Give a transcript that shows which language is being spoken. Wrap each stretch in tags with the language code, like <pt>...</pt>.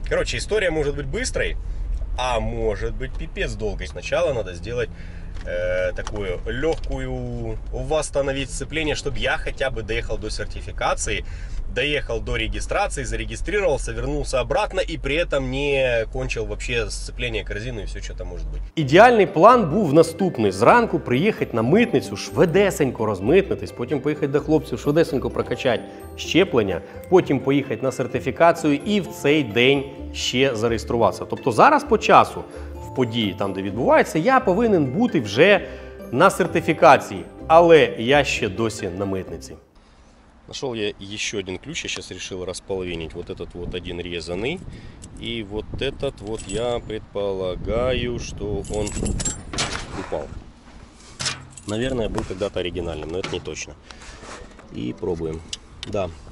<ru>Короче, история может быть быстрой, а может быть пипец долгой. Сначала надо сделать такую легкую, восстановить сцепление, чтобы я хотя бы доехал до сертификации. Доехал до регистрации, зарегистрировался, вернулся обратно и при этом не кончил вообще сцепление корзины и все, что там может быть.</ru> <uk>Ідеальний план був наступний. Зранку приїхати на митницю, швидесенько розмитнитись, потім поїхати до хлопців, швидесенько прокачати щеплення, потім поїхати на сертифікацію і в цей день ще зареєструватися. Тобто зараз по часу, в події, там де відбувається, я повинен бути вже на сертифікації, але я ще досі на митниці.</uk> <ru>Нашел я еще один ключ, я сейчас решил располовинить вот этот вот один резанный. И вот этот вот я предполагаю, что он упал. Наверное, был когда-то оригинальным, но это не точно. И пробуем. Да.</ru>